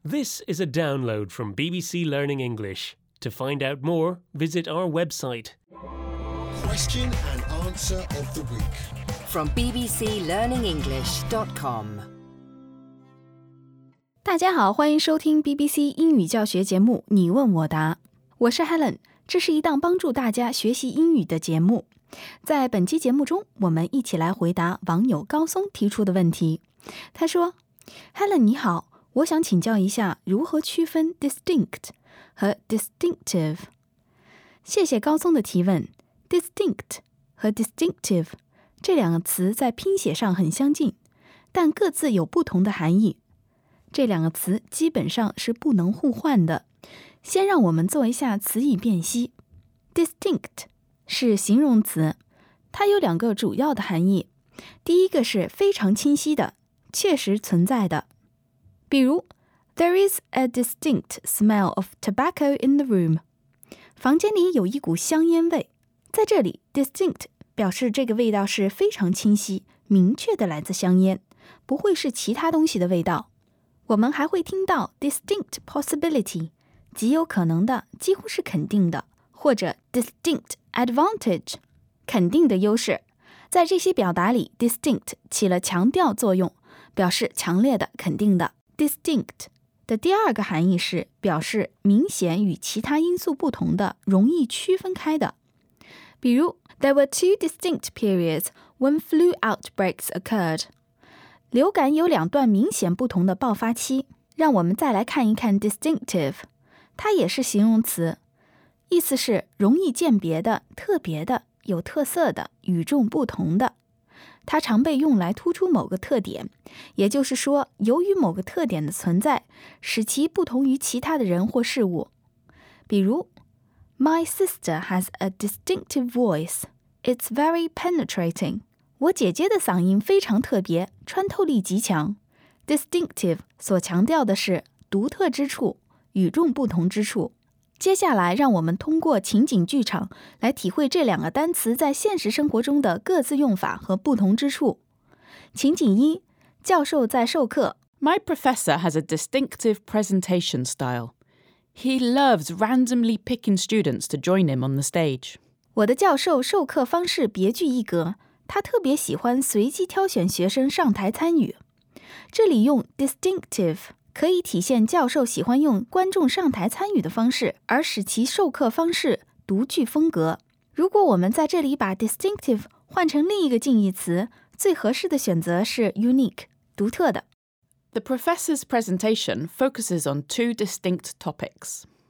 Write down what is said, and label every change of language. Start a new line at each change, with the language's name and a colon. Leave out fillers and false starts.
English: This is a download from BBC Learning English. To find out more, visit our website. Question and answer of the week. From bbclearningenglish.com
Chinese: 大家好，欢迎收听 BBC 英语教学节目《你问我答》。我是 Helen， 这是一档帮助大家学习英语的节目。在本期节目中，我们一起来回答网友高松提出的问题。他说 ，Helen 你好，我想请教一下如何区分 distinct 和 distinctive。谢谢高松的提问。distinct 和 distinctive 这两个词在拼写上很相近，但各自有不同的含义。这两个词基本上是不能互换的。先让我们做一下词义辨析。 distinct 是形容词，它有两个主要的含义。第一个是非常清晰的，确实存在的。比如
English: ,There is a distinct smell of tobacco in the room.
Chinese: 房间里有一股香烟味。在这里 ,distinct 表示这个味道是非常清晰、明确的来自香烟，不会是其他东西的味道。我们还会听到 distinct possibility, 极有可能的、几乎是肯定的，或者 distinct advantage, 肯定的优势。在这些表达里 ,distinct 起了强调作用，表示强烈的、肯定的。 distinct 的第二个含义是表示明显与其他因素不同的、容易区分开的。比如
English: ,There were two distinct periods when flu outbreaks occurred.
Chinese: 流感有两段明显不同的爆发期。让我们再来看一看 distinctive。它也是形容词。意思是容易鉴别的、特别的、有特色的、与众不同的。它常被用来突出某个特点。也就是说由于某个特点的存在使其不同于其他的人或事物。比如
English: My sister has a distinctive voice. It's very penetrating.
Chinese: 我姐姐的嗓音非常特别，穿透力极强。 Distinctive 所强调的是独特之处，与众不同之处。接下来让我们通过情景剧场来体会这两个单词在现实生活中的各自用法和不同之处。情景一，教授在授课。
English: My professor has a distinctive presentation style. He loves randomly picking students to join him on the stage.
Chinese: 我的教授授课方式别具一格，他特别喜欢随机挑选学生上台参与。这里用 distinctive 可以体现教授喜欢用观众上台参与的方式，而使其授课方式独具风格。如果我们在这里把 distinctive 换成另一个近义词，最合适的选择是 unique, 独特的。
English: The professor's presentation focuses on two distinct topics.